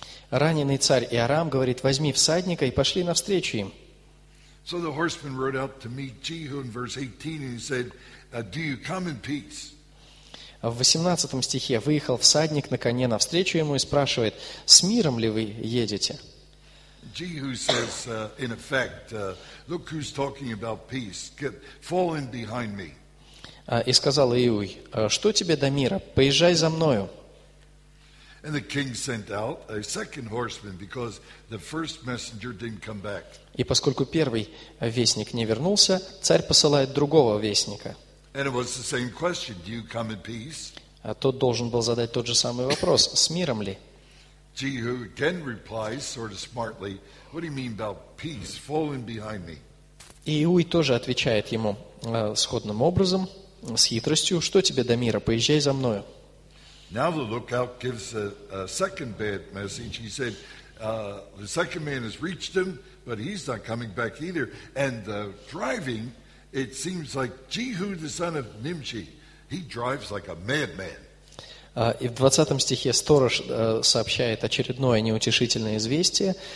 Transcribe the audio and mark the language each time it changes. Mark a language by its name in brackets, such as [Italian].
[Russian] Раненый царь Иорам говорит, возьми всадника и пошли навстречу им. [English] So the horseman rode out to meet Jehu in verse 18 and he said, "Do you come in peace?" [Russian] В 18 стихе выехал всадник на коне навстречу ему и спрашивает, с миром ли вы едете? [English] Jehu says, in effect, look who's talking about peace. Get fall in behind me. [Russian] И сказал Иуй, что тебе до мира? Поезжай за мною. [English] And the king sent out a second horseman because the first messenger didn't come back. [Russian] И поскольку первый вестник не вернулся, царь посылает другого вестника. [English] And it was the same question, do you come in peace? [Russian] А тот должен был задать тот же самый вопрос, с миром ли? [English] Jehu again replies sort of smartly, what do you mean about peace? Fall in behind me. [Russian] И Иуй тоже отвечает ему сходным образом, с хитростью, что тебе до мира, поезжай за мною. [English] Now the lookout gives a second bad message. He said, the second man has reached him, but he's not coming back either. And driving, it seems like Jehu, the son of Nimshi, he drives like a madman. [Russian] И в 20 стихе сторож сообщает очередное неутешительное известие.